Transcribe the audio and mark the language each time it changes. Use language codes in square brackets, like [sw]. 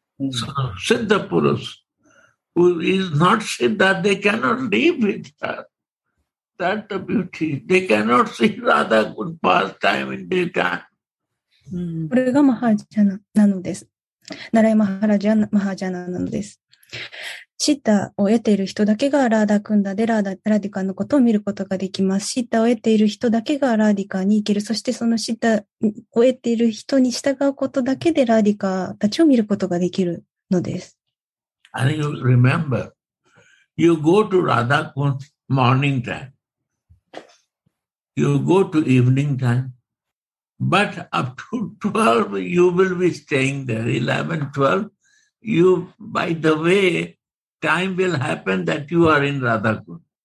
[en] So, Siddha Purush, who is not Siddha, they cannot live with her. That the beauty. They cannot see Radha good pastime in daytime. [ja] これがマハジャナなのです。ナライマハラジャナマハジャナなのです。シッタを得ている人だけがラーダ・クンダでラディカのことを見ることができます。シッタを得ている人だけがラーディカに行ける。そしてそのシッタを得ている人に従うことだけでラーディカたちを見ることができるのです。 [en] And you remember, you go to Radha Kund morning time. You go to evening time. But up to 12, you will be staying there. 11, 12, you, by the way, time will happen that you are in Radha Kund.